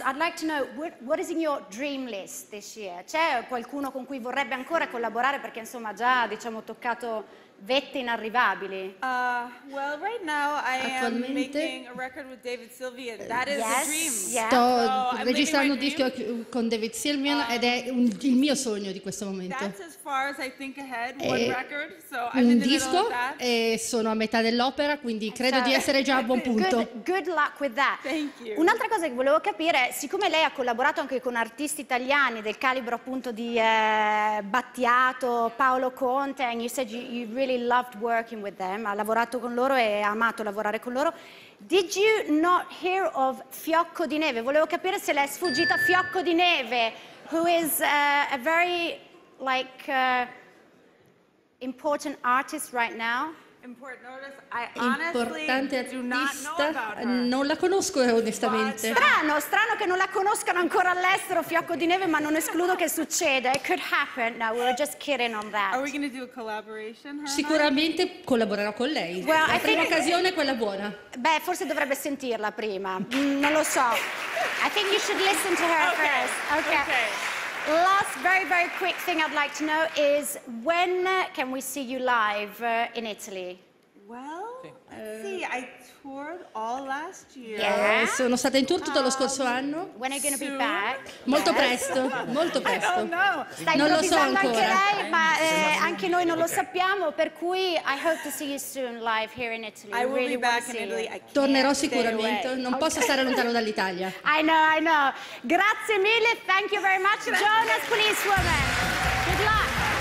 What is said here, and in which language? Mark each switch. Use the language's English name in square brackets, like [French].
[English] I'd like to know, what is in your dream list this year? [Italian] C'è qualcuno con cui vorrebbe ancora collaborare perché insomma già diciamo toccato vette inarrivabili? [English] Well, right now I am making a record with David Sylvian, that is yes, a dream. Yeah. [Italian] Sto registrando un disco con David Sylvian ed è il mio sogno di questo momento. [English] That's as far as I think ahead, one record, so I'm [Italian] un disco e sono a metà dell'opera, quindi credo di essere già a buon punto. [English] Good luck with that. Thank you. [Italian] Un'altra cosa che volevo capire, siccome lei ha collaborato anche con artisti italiani del calibro appunto di Battiato, Paolo Conte, [English] and you said you really loved working with them, [Italian] ha lavorato con loro e ha amato lavorare con loro. [English] Did you not hear of Fiocco di Neve? [Italian] Volevo capire se le è sfuggita [English] Fiocco di Neve, who is a very like important artist right now. [Italian] Importante artista, non la conosco onestamente. Strano che non la conoscano ancora all'estero, Fiocco di Neve, ma non escludo che succeda. [English] It could happen. No, we were just kidding on that. Are we going to do a collaboration? [Italian] Sicuramente collaborerò con lei. [English] Well, [Italian] la prima occasione è quella buona. Beh, forse dovrebbe sentirla prima. Non lo so. [English] I think you should listen to her first. Okay. Last very, very quick thing I'd like to know is when can we see you live in Italy? Well, [Italian] Sì, [English] I toured all last year. Yeah. Yeah. [Italian] Sono stata in tour tutto lo scorso anno. [English] When are you gonna be back? [Italian] Molto presto, molto presto. [English] I don't know. [Italian] Stai improvvisando anche lei, ma anche noi non lo sappiamo, per cui [English] I hope to see you soon live here in Italy. I will be back in Italy. [Italian] Tornerò sicuramente, non posso stare lontano dall'Italia. [English] I know, I know. [Italian] Grazie mille, [English] thank you very much. Jonas, policewoman. Good luck.